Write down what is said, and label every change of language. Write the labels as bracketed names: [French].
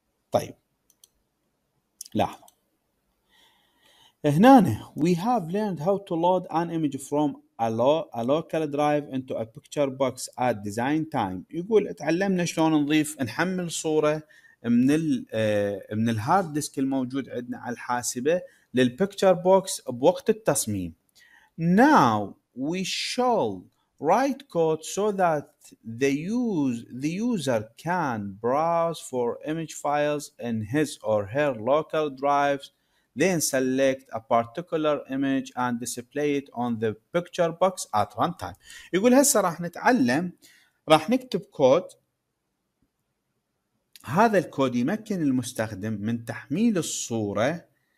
[Arabic] طيب لاحظوا هنا [English] we have learned how to load an image from a local drive into a picture box at design time. [Arabic] يقول تعلمنا شلون نضيف نحمل صورة من الهارد ديسك الموجود عندنا على الحاسبة للبيكتشر بوكس بوقت التصميم. [English] Now we shall write code so that the user can browse for image files in his or her local drives, then select a particular image and display it on the picture box at runtime. [Arabic] يقول هسه راح نتعلم، راح نكتب كود، هذا الكود يمكن المستخدم من تحميل الصورة.